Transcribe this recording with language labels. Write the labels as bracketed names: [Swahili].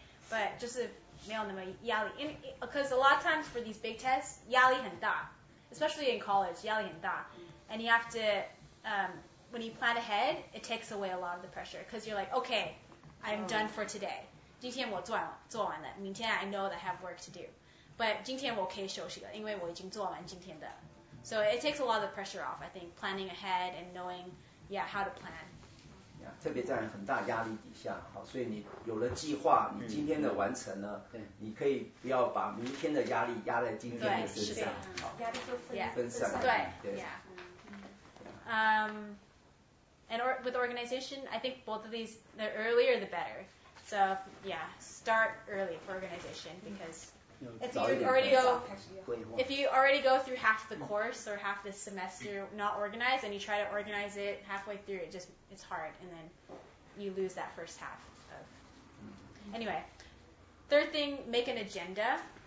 [English] but [Chinese] 就是没有那么压力 [English] because a lot of times for these big tests [Chinese] 压力很大 [English] especially in college 压力很大 and you have to、when you plan ahead it takes away a lot of the pressure because you're like okay I'm done for today [Chinese] 今天我做完了明天 [English] I know that I have work to do but [Chinese] 今天我可以休息了因为我已经做完今天的 [English] so it takes a lot of the pressure off I think planning ahead and knowing yeah how to plan [Chinese] 特别在很大压力底下好所以你有了计划你今天的完成了、嗯、你可以不要把明天的压力压在今天的身上压力就分散 [English] yeah, [Chinese] 分散对 [English] yeah. And with organization I think both of these the earlier the better so yeah start early for organization because、if you already go through half the course or half the semester not organized and you try to organize it halfway through it just it's hard and then you lose that first half of anyway third thing make an agenda